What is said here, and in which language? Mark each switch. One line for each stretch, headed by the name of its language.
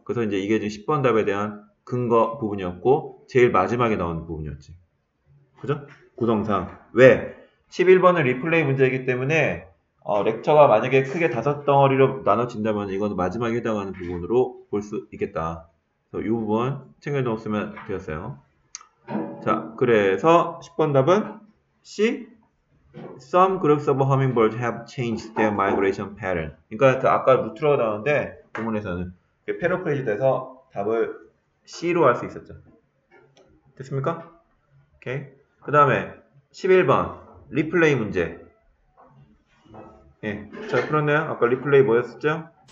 Korean: 그래서 이제 이게 지금 10번 답에 대한 근거 부분이었고 제일 마지막에 나온 부분이었지. 그죠? 구성상. 왜? 11번은 리플레이 문제이기 때문에 렉처가 만약에 크게 다섯 덩어리로 나눠진다면 이건 마지막에 해당하는 부분으로 볼 수 있겠다. 이 부분 챙겨놓으면 되었어요. 자, 그래서 10번 답은 C.
English: Some groups of hummingbirds have changed their migration pattern.
Korean: 그러니까 그 아까 루트라고 나왔는데 부분에서는 패러프레이즈 돼서 답을 C로 할 수 있었죠. 됐습니까? 오케이. 그 다음에 11번 리플레이 문제. 예, 잘 풀었네요. 아까 리플레이 뭐였었죠?